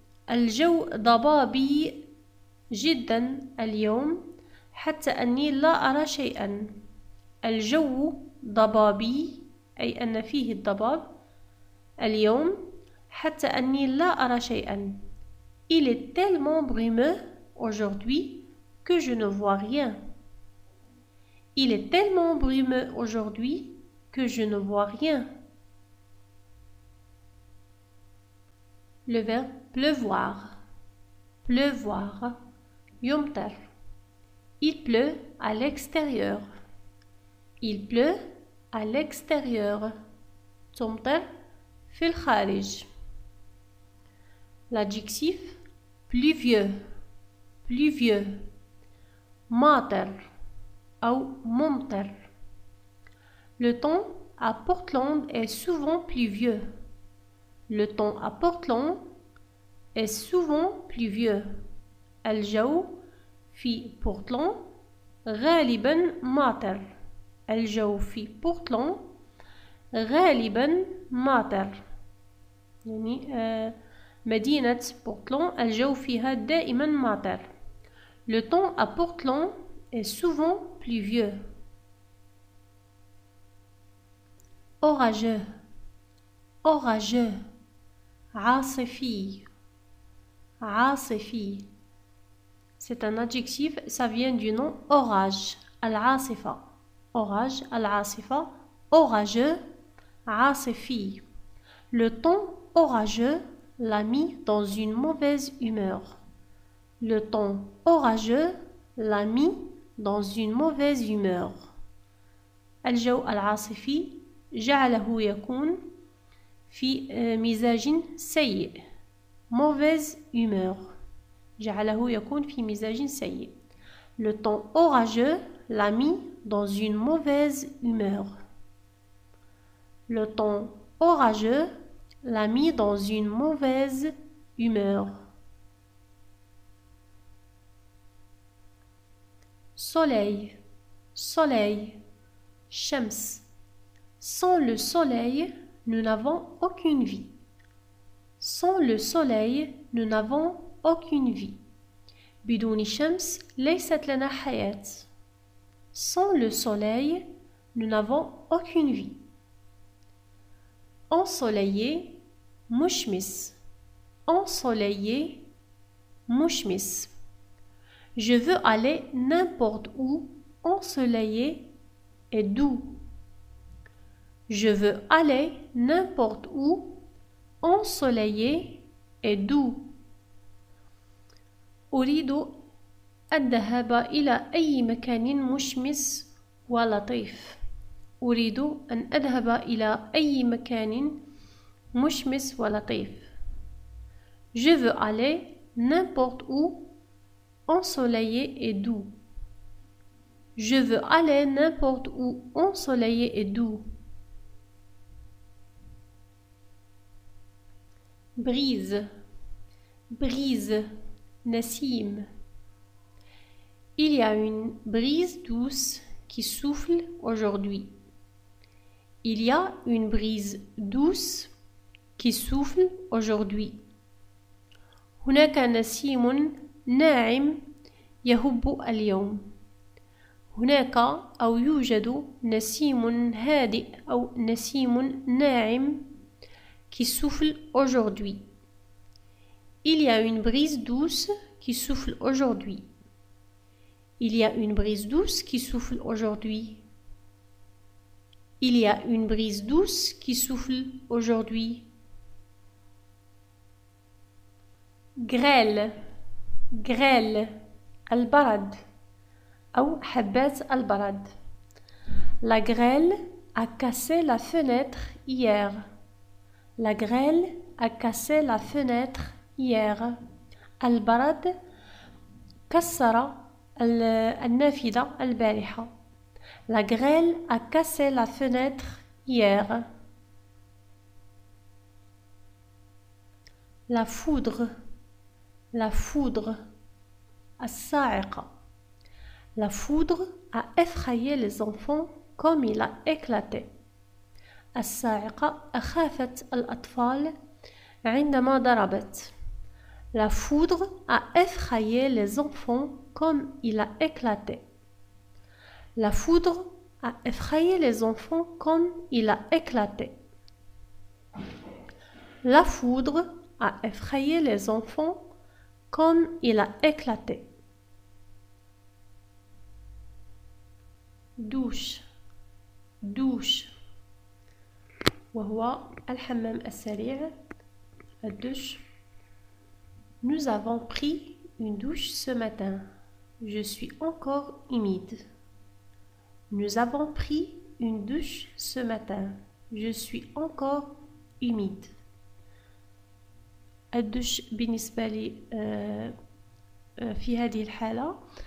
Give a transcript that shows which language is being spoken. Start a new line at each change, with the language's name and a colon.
Arabic: الجو ضبابي جدا اليوم حتى أني لا أرى شيئا. الجو ضبابي أي أن فيه الضباب اليوم حتى أني لا أرى شيئا.
French: Il est tellement brumeux aujourd'hui que je ne vois rien. Il est tellement brumeux aujourd'hui que je ne vois rien. Le verbe pleuvoir. Pleuvoir.
Arabic: يمطر.
French: Il pleut à l'extérieur. Il pleut à l'extérieur.
Arabic: تمطر في الخارج.
French: L'adjectif pluvieux. Pluvieux.
Arabic: ماطر. أو ممطر.
French: Le temps à Portland est souvent pluvieux. Le temps à Portland est souvent pluvieux.
Arabic: الجو في بورتلاند غالبا ماطر. الجو في بورتلاند غالبا ماطر. يعني مدينة بورتلاند الجو فيها دائما ماطر.
French: Le temps à Portland est souvent pluvieux. Orageux. Orageux.
Arabic: عاصفي. عاصفي.
French: C'est un adjectif, ça vient du nom orage.
Arabic: Al-asifa.
French: Orage,
Arabic: al-asifa.
French: Orageux.
Arabic: عاصفي.
French: Le temps orageux l'a mis dans une mauvaise humeur. Le temps orageux l'a mis dans une mauvaise humeur.
Arabic: الجو العاصفي جعله يكون في مزاج سيء.
French: Mauvaise humeur.
Arabic: جعله يكون في مزاج سيء.
French: Le temps orageux l'a mis dans une mauvaise humeur. Le temps orageux l'a mis dans une mauvaise humeur. Soleil, soleil,
Arabic: شمس.
French: Sans le soleil, nous n'avons aucune vie. Sans le soleil, nous n'avons aucune vie.
Arabic: بدون الشمس ليست لنا حياة.
French: Sans le soleil, nous n'avons aucune vie. Ensoleillé,
Arabic: مشمس.
French: Ensoleillé, مشمس. Je veux aller n'importe où, ensoleillé et doux. Je veux aller n'importe où, ensoleillé et doux.
Arabic: أريد الذهاب إلى أي مكان مشمس ولطيف. أريد أن أذهب إلى أي مكان مشمس ولطيف.
French: Je veux aller n'importe où, ensoleillé et doux. Je veux aller n'importe où, ensoleillé et doux. Brise, brise.
Arabic: Nassim.
French: Il y a une brise douce qui souffle aujourd'hui. Il y a une brise douce qui souffle aujourd'hui.
Arabic: هناك نسيم ناعم يهب اليوم. هناك أو يوجد نسيم هادئ أو نسيم ناعم
French: qui souffle aujourd'hui. Il y a une brise douce qui souffle aujourd'hui. Il y a une brise douce qui souffle aujourd'hui. Il y a une brise douce qui souffle aujourd'hui. Grêle. Grêle.
Arabic: Al-barad. Ou habat al-barad.
French: La grêle a cassé la fenêtre hier. La grêle a cassé la fenêtre hier.
Arabic: البرد كسر النافذة البارحة.
French: La grêle a cassé la fenêtre hier. La foudre. La foudre.
Arabic: الصاعقة.
French: La foudre a effrayé les enfants comme il a éclaté.
Arabic: الصاعقة أخافت الأطفال عندما ضربت.
French: La foudre a effrayé les enfants comme il a éclaté. La foudre a effrayé les enfants comme il a éclaté. La foudre a effrayé les enfants comme il a éclaté. Douche. Douche.
Arabic: وهو الحمام السريع.
French: La douche. Nous avons pris une douche ce matin. Je suis encore humide. Nous avons pris une douche ce matin. Je suis encore humide.
Arabic: الدوش بالنسبة لي في هذه الحالة